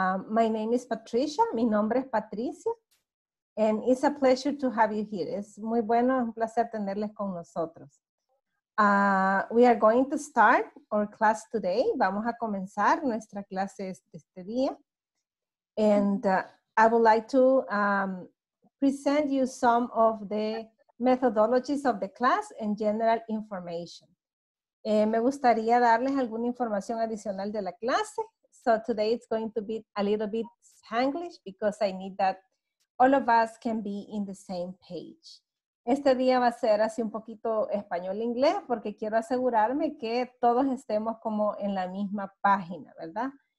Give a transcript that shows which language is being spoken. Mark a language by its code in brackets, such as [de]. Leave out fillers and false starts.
[en] My name is Patricia, [es] mi nombre es Patricia, [en] and it's a pleasure to have you here. [es] Es muy bueno, es un placer tenerles con nosotros. [en] We are going to start our class today. [es] Vamos a comenzar nuestra clase este día. [en] And I would like to present you some of the methodologies of the class and general information. [es] Me gustaría darles alguna información adicional de la clase. [en] So today it's going to be a little bit Spanglish because I need that all of us can be in the same page. [es] Este día va a ser así un poquito español-inglés porque quiero asegurarme que todos estemos como en la misma página, ¿verdad?